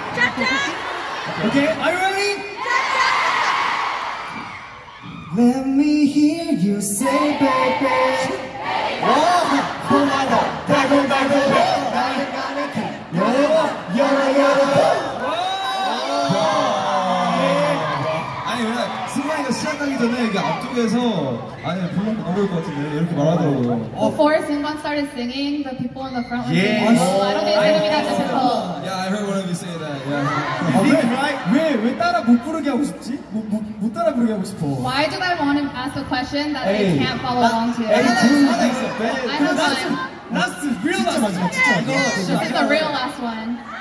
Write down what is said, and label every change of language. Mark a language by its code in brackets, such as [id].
[en] Chop chop. Okay, are you ready? Let me hear you say, baby. Oh, oh my God, back on, back on, back on, back on, you're my, you're my. [ko] Oh, 아니 왜 승관이가 시작하기 전에 이게 앞쪽에서 아니 부르면 안 부를 것 같은데 이렇게 말하더라고요. [en] Before Seungwon started singing, the people in the front were like, "Oh, I don't think it's gonna be that difficult." Yeah, I heard one of you say that. Yeah. [ko] Why 따라 못 부르게 하고 싶지? 못 따라 부르게 하고 싶어. [en] Why do I want to ask a question that I can't follow along to? Hey, I have one. That's the real last one. This is the real last one.